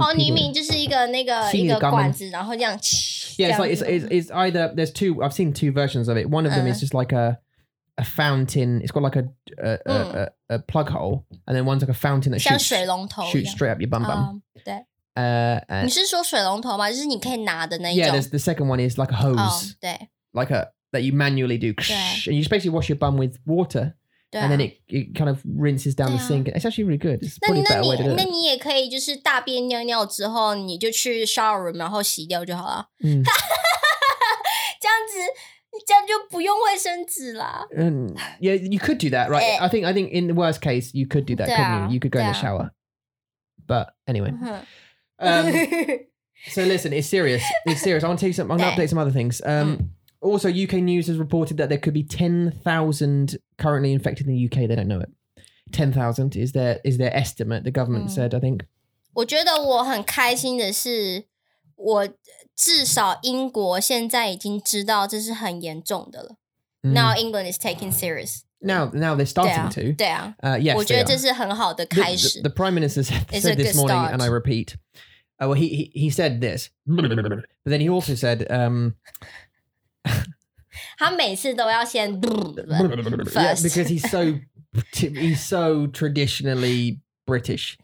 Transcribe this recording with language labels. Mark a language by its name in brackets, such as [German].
[Chinese] Oh, 你明明就是一个那个一个管子, 然后这样, [English] yeah, it's like, it's either, there's two, I've seen two versions of it. One of them is just like a fountain, it's got like a plug hole, and then one's like a fountain that shoots, [Chinese] 像水龙头, [English] shoots straight up your bum bum. [Chinese] 对。你是说水龙头吗? 就是你可以拿的那一种? [English] Yeah, the second one is like a hose. [Chinese] Oh, 对。 [English] Like a, that you manually do. [Chinese] 对。 [English] And you just basically wash your bum with water. [Chinese] 对啊。 [English] And then it kind of rinses down the sink. It's actually really good. It's probably better way to do it. [Chinese] 那你也可以就是大便尿尿之后, 你就去 shower room, 然后洗掉就好了。这样子, 这样就不用卫生纸啦。 [English] Yeah, you could do that, right? I think in the worst case, you could do that, couldn't you? You could go in the shower. But anyway. so listen, it's serious. I want to tell you something. I'm going to update some other things. Also, UK News has reported that there could be 10,000 currently infected in the UK. They don't know it. 10,000 is their estimate, the government said, I think. [Chinese] 我觉得我很开心的是，我至少英国现在已经知道这是很严重的了。 [English] Now England is taking serious. Now they're starting to. Yes, they are. [Chinese] 我觉得这是很好的开始。 [English] The Prime Minister said this morning, and I repeat. He said this. But then he also said... [Chinese] 他每次都要先... [English] first. Because he's so traditionally British.